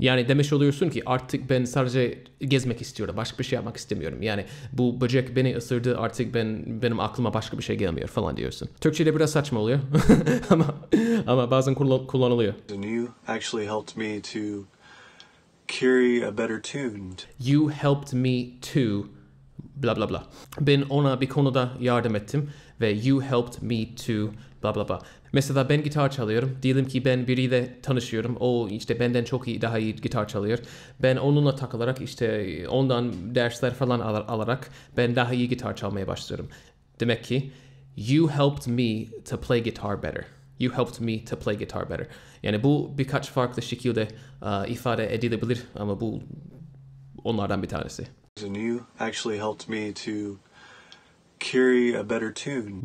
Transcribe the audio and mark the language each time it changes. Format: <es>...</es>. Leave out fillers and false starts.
<tr>Yani demiş oluyorsun ki artık ben sadece gezmek istiyorum, başka bir şey yapmak istemiyorum. Yani bu böcek beni ısırdı, artık benim aklıma başka bir şey gelmiyor falan diyorsun. Türkçe'de biraz saçma oluyor ama bazen kullanılıyor.</tr> <en>You actually helped me to carry a better tune. You helped me to blah blah blah.</en> <tr>Ben ona bir konuda yardım ettim ve</tr> <en>you helped me to blah blah blah.</en> <tr>Mesela ben gitar çalıyorum. Diyelim ki ben biriyle tanışıyorum. O işte benden çok iyi, daha iyi gitar çalıyor. Ben onunla takılarak, işte ondan dersler falan alarak ben daha iyi gitar çalmaya başlıyorum. Demek ki</tr> <en>you helped me to play guitar better. You helped me to play guitar better.</en> <tr>Yani bu birkaç farklı şekilde ifade edilebilir ama bu onlardan bir tanesi.</tr> <en>And you actually helped me to carry a better tune.</en>